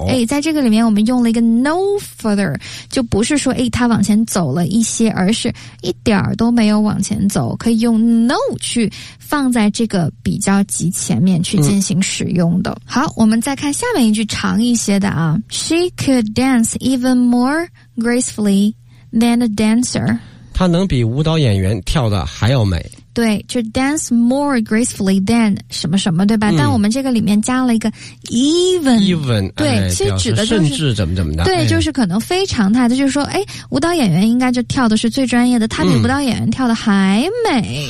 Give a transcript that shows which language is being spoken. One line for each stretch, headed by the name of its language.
Chinese: 哎，在这个里面我们用了一个 no further，就不是说哎他往前走了一些，而是一点儿都没有往前走，可以用 no 去放在这个比较级前面去进行使用的。好，我们再看下面一句长一些的啊。
English: She could dance even more gracefully than a dancer，
Chinese: 她能比舞蹈演员跳的还要美。对，就 dance more gracefully than 什么什么，对吧？但我们这个里面加了一个 even， 对、哎、其实指的就是甚至怎么怎么的，对、哎、就是可能非常态的，就是说哎，舞蹈演员应该就跳的是最专业的，他比舞蹈演员跳的还美，